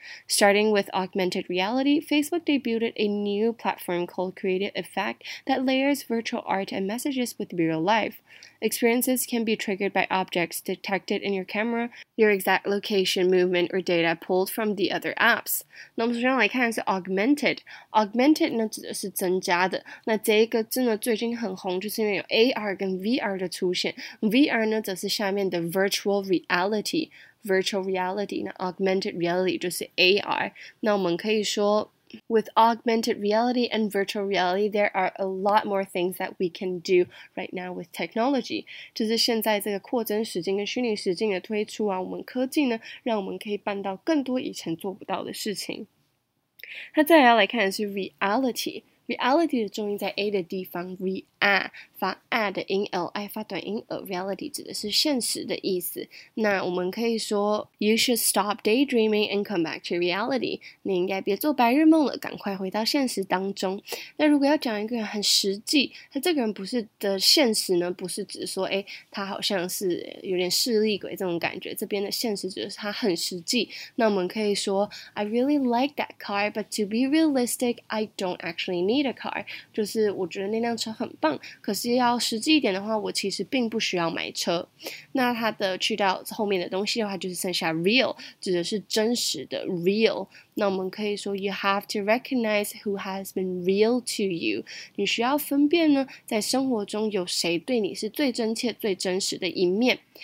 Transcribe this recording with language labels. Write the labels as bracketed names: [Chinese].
[English] Starting with augmented reality, Facebook debuted a new platform called Creative Effect that layers virtual art and messages with real life. Experiences can be triggered by objects detected in your camera, your exact location, movement, or data pulled from the other apps. [Chinese] 那么首先来看是 augmented 呢指的是增加的。那这个字呢最近很红，就是因为有 AR 跟 VR 的出现。 VR 呢则是下面的 virtual reality。Virtual reality, augmented reality, 就是 AR. 那我们可以说 [English] with augmented reality and virtual reality, there are a lot more things that we can do right now with technology. [Chinese] 就是现在这个扩增实境跟虚拟实境的推出啊，我们科技呢，让我们可以办到更多以前做不到的事情。那再来来看的是 reality. Reality 的重音在 A 的地方 ，Real 发 A 的音 ，Li 发短音 ，Reality 指的是现实的意思。那我们可以说 [English] ，You should stop daydreaming and come back to reality。 [Chinese] 你应该别做白日梦了，赶快回到现实当中。那如果要讲一个人很实际，他这个人不是的现实呢，不是指说，哎，他好像是有点势利鬼这种感觉。这边的现实指的是他很实际。那我们可以说 [English] ，I really like that car, but to be realistic, I don't actually. Need a car, [Chinese] 就是我觉得那辆车很棒，可是要实际一点的话，我其实并不需要买车。那它的去掉后面的东西的话，就是剩下 real, 指的是真实的 real。那我们可以说 [English] you have to recognize who has been real to you。 [Chinese] 你需要分辨呢，在生活中有谁对你是最真切、最真实的一面。